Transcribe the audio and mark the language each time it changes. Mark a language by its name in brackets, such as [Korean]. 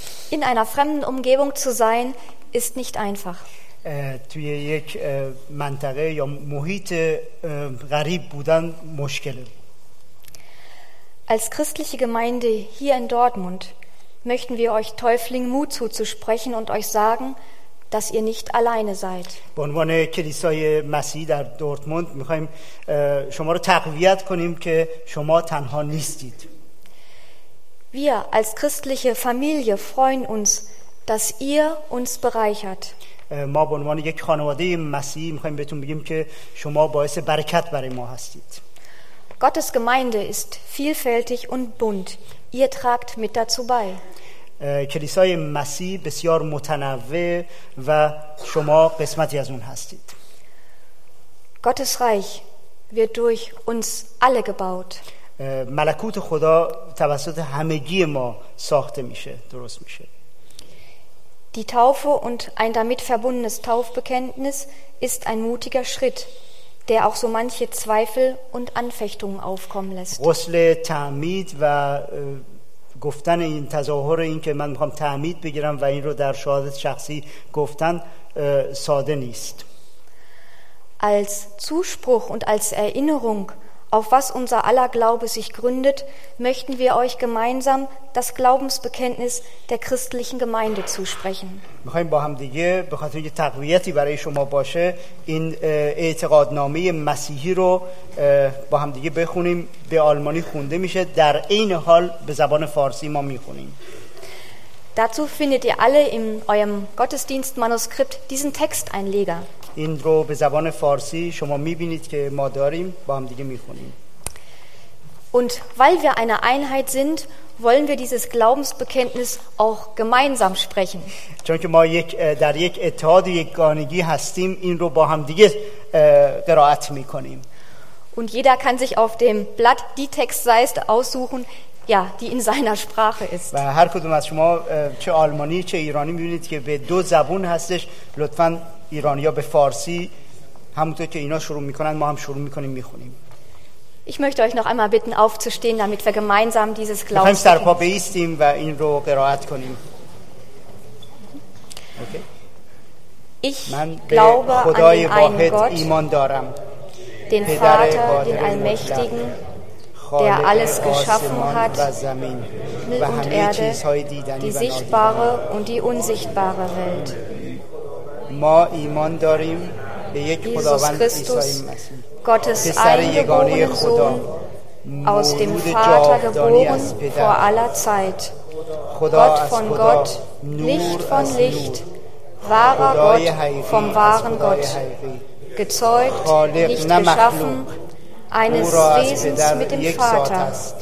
[German] In einer fremden Umgebung zu sein, ist nicht einfach. [Persian] توی یک منطقه یا محیط غریب بودن مشکله. [German] Als christliche Gemeinde hier in Dortmund möchten wir euch Täuflingen Mut zuzusprechen und euch sagen, dass ihr nicht alleine seid. [Persian] به عنوان کلیسای مسیحی در دورتموند میخواییم شما رو تقویت کنیم که شما تنها نیستید. [German] Wir als christliche Familie freuen uns, dass ihr uns bereichert. [Persian] ما به عنوان یک خانواده مسیحی میخواییم بهتون بگیم که شما باعث برکت برای ما هستید. [German] Gottes Gemeinde ist vielfältig und bunt. Ihr tragt mit dazu bei. [Persian] کلیسای مسیح بسیار متنوع و شما قسمتی از اون هستید. [German] Gottes Reich wird durch uns alle gebaut. [Persian] ملکوت خدا توسط همگی ما ساخته میشه، درست میشه. [German] Die Taufe und ein damit verbundenes Taufbekenntnis ist ein mutiger Schritt, der auch so manche Zweifel und Anfechtungen aufkommen lässt. [Persian] غسل تعمید و گفتن این تظاهر این که من میخوام تعمید بگیرم و این رو در شهادت شخصی گفتن ساده نیست. [German] Als Zuspruch und als Erinnerung, auf was unser aller Glaube sich gründet, möchten wir euch gemeinsam das Glaubensbekenntnis der christlichen Gemeinde zusprechen. [Persian] میخوایم با هم دیگه به خاطر اینکه تقویتی برای شما باشه این اعتقادنامه مسیحی رو با هم دیگه بخونیم. به آلمانی خونده میشه، در این حال به زبان فارسی ما میخونیم. [German] Dazu findet ihr alle in eurem Gottesdienstmanuskript diesen Texteinleger. [Persian] این رو به زبان فارسی شما میبینید که ما داریم، با هم دیگه میخونیم. [German] Und weil wir eine Einheit sind, wollen wir dieses Glaubensbekenntnis auch gemeinsam sprechen. [Persian] چون که ما در یک اتحاد و یکانگی هستیم، این رو با هم دیگه قرائت میکنیم. [German] Und jeder kann sich auf dem Blatt die Textseite aussuchen, ja, die in seiner Sprache ist. [Persian] و هر کدوم از شما چه آلمانی چه ایرانی میبینید که به دو زبون هستش، لطفاً ایرانی‌ها به فارسی همونطور که اینا شروع میکنن ما هم شروع میکنیم میخونیم. [German] Ich möchte euch noch einmal bitten aufzustehen, damit wir gemeinsam dieses Glauben. Wir sollten sterben beistehen und ihn ro قرائت کنیم. Okay. Ich glaube an [Persian] خدای واحد [German] Gott, [Persian] ایمان دارم. [German] Den Vater, den Allmächtigen, der alles geschaffen hat, Himmel und Erde, die sichtbare und die unsichtbare Welt. [Persian] ما ایمان داریم به یک خداوند عیسی مسیح. [German] Gottes eingeborene Sohn, aus dem Vater geboren vor aller Zeit, Gott von Gott, Licht von Licht, wahrer Gott vom wahren Gott, gezeugt, nicht geschaffen, eines Wesens mit dem Vater.